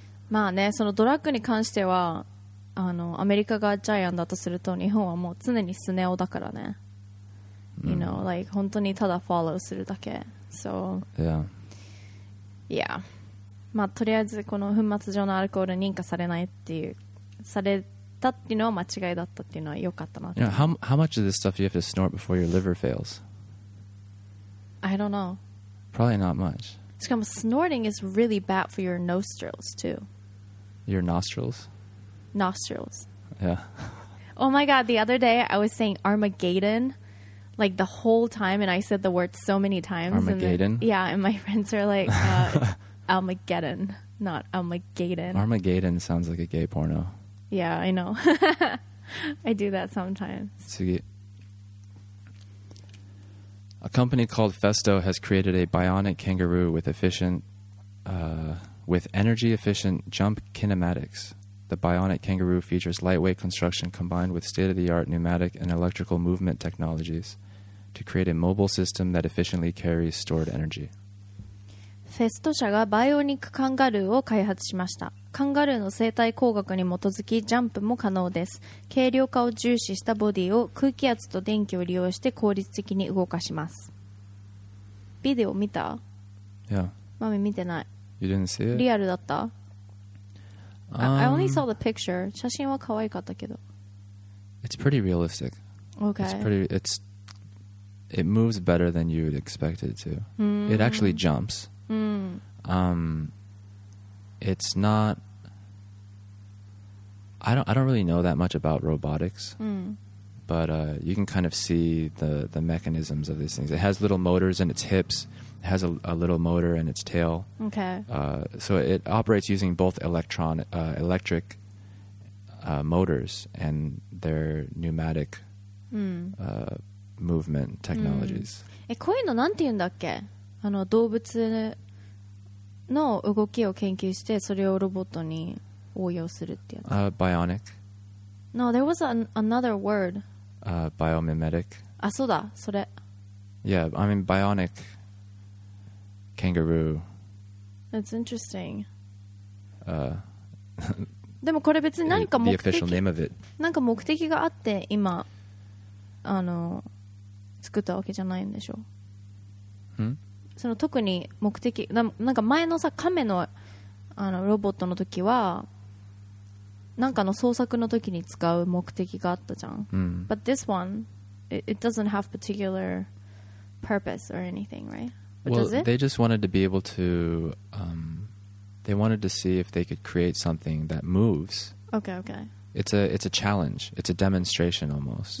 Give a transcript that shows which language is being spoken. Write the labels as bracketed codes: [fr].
[ja] まあね、そのドラッグに関しては、あの、アメリカがジャイアンだとすると、日本はもう常にスネオだからね。 [en] You know, like, [ja] 本当にただ [en] follow [ja] するだけ. [en] So, yeah. Yeah. [ja] まあ、とりあえずこの粉末状のアルコール認可されないっていう、されたっていうのは間違いだったっていうのは良かったなって。 [en] You know, how much of this stuff do you have to snort before your liver fails? I don't know. Probably not much. [ja] しかも [en] snorting is really bad for your nostrils, too. Your nostrils? Nostrils. Yeah. Oh my god, the other day I was saying Armageddon. Like the whole time, and I said the word so many times. Armageddon? And then, yeah, and my friends are like, it's Armageddon, not Armageddon. Armageddon sounds like a gay porno. Yeah, I know. I do that sometimes. [ja] Tsugi. [en] A company called Festo has created a bionic kangaroo with energy efficient jump kinematics. The bionic kangaroo features lightweight construction combined with state-of-the-art pneumatic and electrical movement technologies to create a mobile system that efficiently carries stored energy. [ja] Festo 社がバイオニックカンガルーを開発しました。カンガルーの生態工学に基づきジャンプも可能です。軽量化を重視したボディを空気圧と電気を利用して効率的に動かします。ビデオ見た？ [en] Yeah. [ja] マミ見てない。 [en] You didn't see it? [ja] リアルだった？ [en] I only saw the picture. [ja] 写真は可愛かったけど。 [en] It's pretty realistic. Okay. It moves better than you would expect it to. Mm. It actually jumps. Mm. It's not. I don't really know that much about robotics. Mm. But you can kind of see the mechanisms of these things. It has little motors in its hips. It has a little motor in its tail. Okay. So it operates using both electric motors and their pneumatic movement technologies. [ja] え、こういうのなんて言うんだっけ？あの、動物の動きを研究してそれをロボットに応用するっていうの。 [en] Bionic. No, there was another word. Biomimetic. [ja] あ、そうだ、それ。 [en] Yeah, I mean bionic kangaroo. That's interesting. [ja] でもこれ別に何か目的、 [en] the official name of it. [ja] なんか目的があって今、あの、作ったわけじゃないんでしょ。 Hmm? その特に目的、なんか前のさ、亀の、あの、ロボットの時は、なんかの創作の時に使う目的があったじゃん。 Hmm. [en] But this one, it doesn't have particular purpose or anything, right? Well, they just wanted to be able to they wanted to see if they could create something that moves. Okay, okay. It's a challenge. It's a demonstration almost.